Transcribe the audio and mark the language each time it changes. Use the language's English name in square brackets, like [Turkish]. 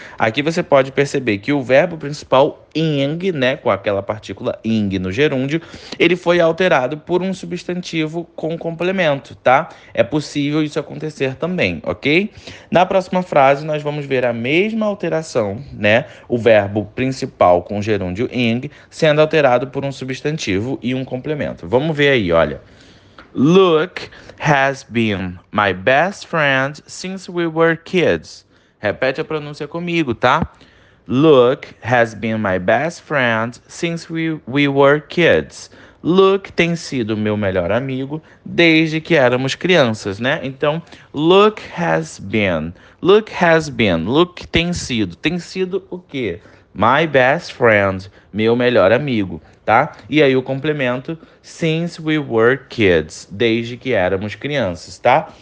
[Portuguese] Aqui você pode perceber que o verbo principal ing, né, com aquela partícula ing no gerúndio, ele foi alterado por um substantivo com complemento, tá? É possível isso acontecer também, ok? Na próxima frase, nós vamos ver a mesma alteração, né? O verbo principal com gerúndio ing sendo alterado por um substantivo e um complemento. Vamos ver aí, olha. [English] Luke has been my best friend since we were kids. [Portuguese] Repete a pronúncia comigo, tá? [English] Luke has been my best friend since we were kids. [Portuguese] Luke tem sido meu melhor amigo desde que éramos crianças, né? [English] Então, Luke has been. Luke has been. [Portuguese] Luke tem sido. Tem sido o quê? [English] My best friend, [Portuguese] meu melhor amigo. Tá? E aí o complemento, [English] since we were kids, [Portuguese] desde que éramos crianças, tá?